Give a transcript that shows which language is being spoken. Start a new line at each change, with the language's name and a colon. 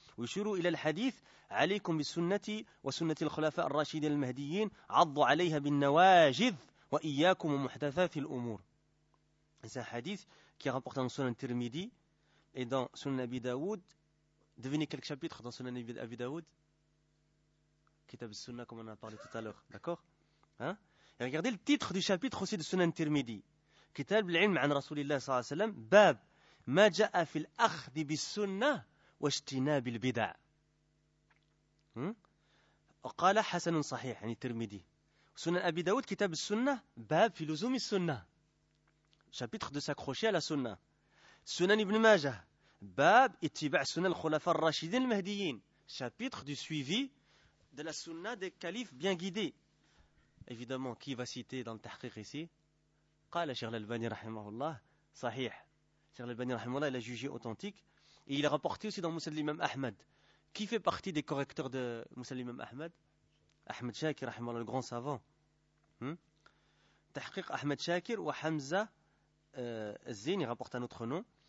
Arabic: ويشير إلى الحديث عليكم بسنتي وسنة الخلفاء الراشدين المهديين عضوا عليها بالنواجذ وإياكم ومحدثات الأمور. هذا حديث كي
French: rapporte dans Sunan Tirmidhi et dans Sunan Abi Dawud. Devinez quel chapitre dans Sunan Abi Dawud? Kitab al-Sunna, comme on a parlé tout à l'heure, d'accord? Hein? Regardez le titre du chapitre aussi de Sunan Tirmidhi.
Arabic: Kitab al-ilm an Rasulillah صلى الله عليه وسلم باب ما جاء في الأخذ بالسنة واجتناب البدع. وقال حسن صحيح يعني الترمذي. سنن أبي داود كتاب السنة باب في لزوم السنة.
French: chapitre de s'accrocher à la sunna.
Arabic: سنن ابن ماجه باب اتباع سنة الخلفاء الراشدين المهديين.
French: chapitre du suivi de la sunna des califes bien guidés. évidemment qui va citer dans le tahqiq ici.
Arabic: قال شيخ الألباني رحمه الله صحيح. شيخ الألباني رحمه الله
French: il a jugé authentique. Et il est rapporté aussi dans Moussa l'imam Ahmed. Qui fait partie des correcteurs de Moussa l'imam Ahmed? Ahmed Shakir, rahimahullah, le grand savant. Tahqiq Ahmed Shakir ou Hamza Zin, il rapporte un autre nom.